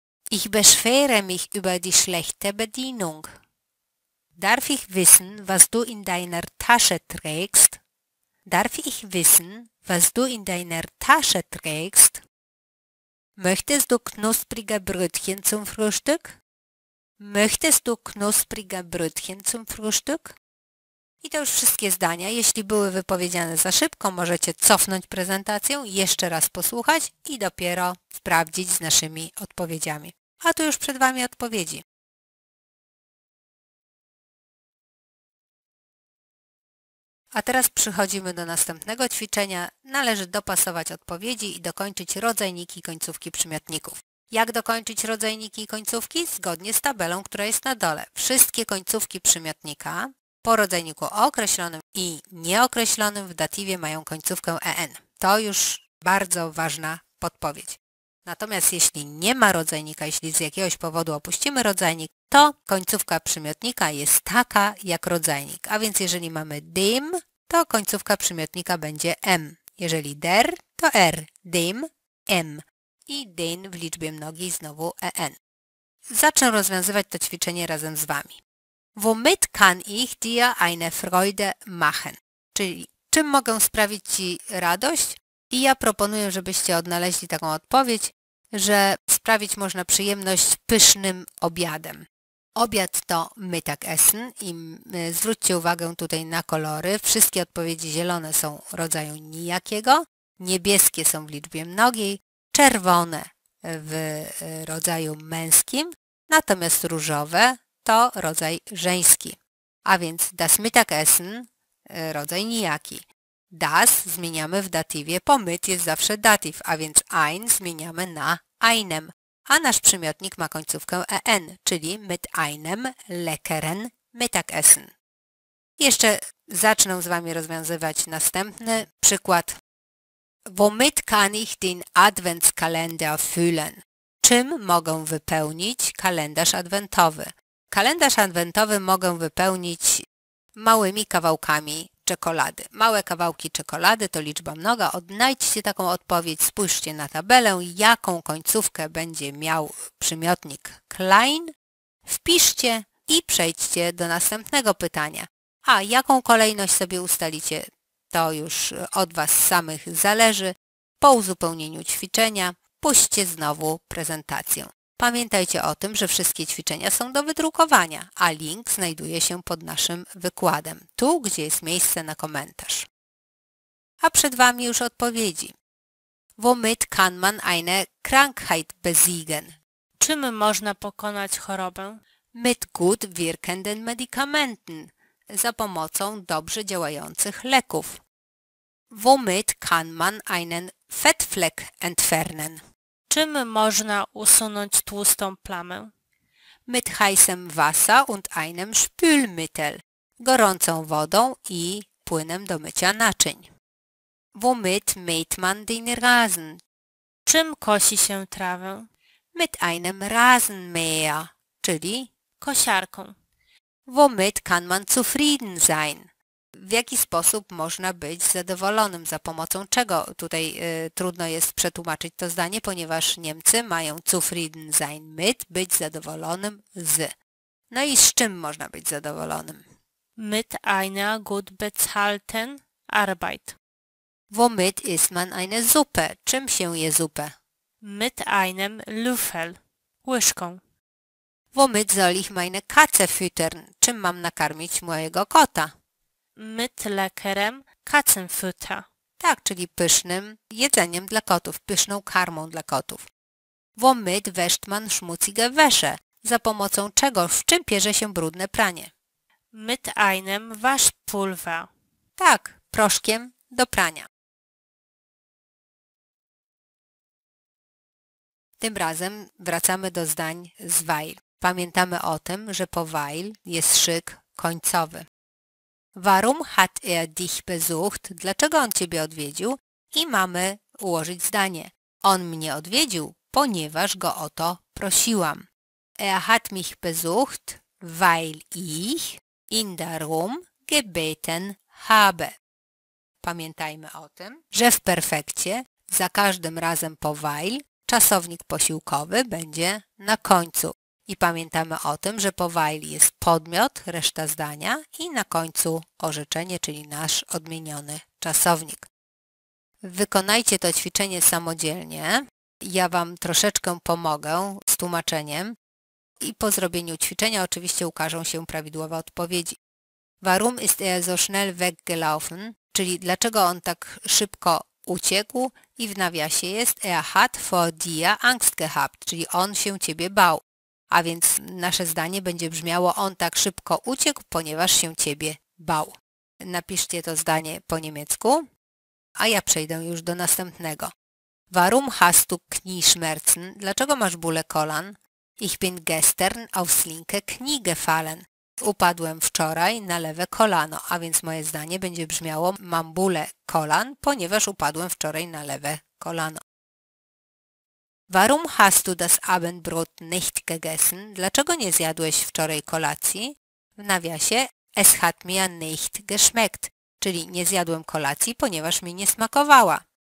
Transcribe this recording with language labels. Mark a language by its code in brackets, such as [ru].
[de] Ich beschwere mich über die schlechte Bedienung. Darf ich wissen, was du in deiner Tasche trägst? Darf ich wissen, was du in deiner Tasche trägst? Möchtest du knusprige Brötchen zum Frühstück? Möchtest du knusprige Brötchen zum Frühstück? [pl] I to już wszystkie zdania. Jeśli były wypowiedziane za szybko, możecie cofnąć prezentację, jeszcze raz posłuchać i dopiero sprawdzić z naszymi odpowiedziami. A tu już przed Wami odpowiedzi. A teraz przechodzimy do następnego ćwiczenia. Należy dopasować odpowiedzi i dokończyć rodzajniki i końcówki przymiotników. Jak dokończyć rodzajniki i końcówki? Zgodnie z tabelą, która jest na dole. Wszystkie końcówki przymiotnika po rodzajniku określonym i nieokreślonym w datywie mają końcówkę en. To już bardzo ważna podpowiedź. Natomiast jeśli nie ma rodzajnika, jeśli z jakiegoś powodu opuścimy rodzajnik, to końcówka przymiotnika jest taka jak rodzajnik. A więc jeżeli mamy dim, to końcówka przymiotnika będzie m. Jeżeli der, to r. Dim, m. I din w liczbie mnogiej znowu en. Zacznę rozwiązywać to ćwiczenie razem z Wami. [de] Womit kann ich dir eine Freude machen? [pl] Czyli czym mogę sprawić Ci radość? I ja proponuję, żebyście odnaleźli taką odpowiedź, że sprawić można przyjemność pysznym obiadem. Obiad to Mittagessen i zwróćcie uwagę tutaj na kolory. Wszystkie odpowiedzi zielone są rodzaju nijakiego, niebieskie są w liczbie mnogiej, czerwone w rodzaju męskim, natomiast różowe to rodzaj żeński. A więc das Mittagessen, rodzaj nijaki. Das zmieniamy w datywie, pomyt jest zawsze datyw, a więc ein zmieniamy na einem, a nasz przymiotnik ma końcówkę en, czyli [de] mit einem leckeren Mittagessen. [pl] Jeszcze zacznę z Wami rozwiązywać następny przykład. [de] Womit kann ich den Adventskalender füllen? [pl] Czym mogę wypełnić kalendarz adwentowy? Kalendarz adwentowy mogę wypełnić małymi kawałkami czekolady. Małe kawałki czekolady to liczba mnoga. Odnajdźcie taką odpowiedź, spójrzcie na tabelę, jaką końcówkę będzie miał przymiotnik klein. Wpiszcie i przejdźcie do następnego pytania. A jaką kolejność sobie ustalicie, to już od Was samych zależy. Po uzupełnieniu ćwiczenia puśćcie znowu prezentację. Pamiętajcie o tym, że wszystkie ćwiczenia są do wydrukowania, a link znajduje się pod naszym wykładem, tu, gdzie jest miejsce na komentarz. A przed Wami już odpowiedzi. [de] Womit kann man eine Krankheit besiegen? [pl] Czym można pokonać chorobę? [de] Mit gut wirkenden Medikamenten, [pl] za pomocą dobrze działających leków. [de] Womit kann man einen Fettfleck entfernen? [pl] Czym można usunąć tłustą plamę? [de] Mit heißem Wasser und einem Spülmittel. [pl] Gorącą wodą i płynem do mycia naczyń. [de] Womit mäht man den Rasen? [pl] Czym kosi się trawę? [de] Mit einem Rasenmäher, [pl] czyli kosiarką. [de] Womit kann man zufrieden sein? [pl] W jaki sposób można być zadowolonym, za pomocą czego? Tutaj trudno jest przetłumaczyć to zdanie, ponieważ Niemcy mają [de] zufrieden sein mit, [pl] być zadowolonym z. No i z czym można być zadowolonym? [de] Mit einer gut bezahlten Arbeit. Womit isst man eine Suppe? [pl] Czym się je Suppe? [de] Mit einem Löffel. [pl] Łyżką. [de] Womit soll ich meine Katze füttern? [pl] Czym mam nakarmić mojego kota? [de] Mit leckerem Katzenfutter. [pl] Tak, czyli pysznym jedzeniem dla kotów, pyszną karmą dla kotów. Womit wäscht man schmutzige Wäsche? Za pomocą czego, w czym pierze się brudne pranie? Mit einem Waschpulver. Tak, proszkiem do prania. Tym razem wracamy do zdań z Weil. Pamiętamy o tym, że po Weil jest szyk końcowy. [de] Warum hat er dich besucht? [pl] Dlaczego on ciebie odwiedził? I mamy ułożyć zdanie. On mnie odwiedził, ponieważ go o to prosiłam. [de] Er hat mich besucht, weil ich ihn darum gebeten habe. [pl] Pamiętajmy o tym, że w perfekcie za każdym razem po weil czasownik posiłkowy będzie na końcu. I pamiętamy o tym, że po weil jest podmiot, reszta zdania i na końcu orzeczenie, czyli nasz odmieniony czasownik. Wykonajcie to ćwiczenie samodzielnie. Ja Wam troszeczkę pomogę z tłumaczeniem i po zrobieniu ćwiczenia oczywiście ukażą się prawidłowe odpowiedzi. [de] Warum ist er so schnell weggelaufen? [pl] Czyli dlaczego on tak szybko uciekł? I w nawiasie jest [de] er hat vor dir Angst gehabt, [pl] czyli on się ciebie bał. A więc nasze zdanie będzie brzmiało: on tak szybko uciekł, ponieważ się ciebie bał. Napiszcie to zdanie po niemiecku, a ja przejdę już do następnego. [de] Warum hast du Knieschmerzen? [pl] Dlaczego masz bóle kolan? [de] Ich bin gestern aufs linke Knie gefallen. [pl] Upadłem wczoraj na lewe kolano, a więc moje zdanie będzie brzmiało: mam bóle kolan, ponieważ upadłem wczoraj na lewe kolano. [de] Warum hast du das Abendbrot nicht gegessen? [pl] Dlaczego nie zjadłeś wczoraj kolacji? W nawiasie, [de] es hat mir nicht geschmeckt, [pl] czyli nie zjadłem kolacji, ponieważ mi nie smakowała.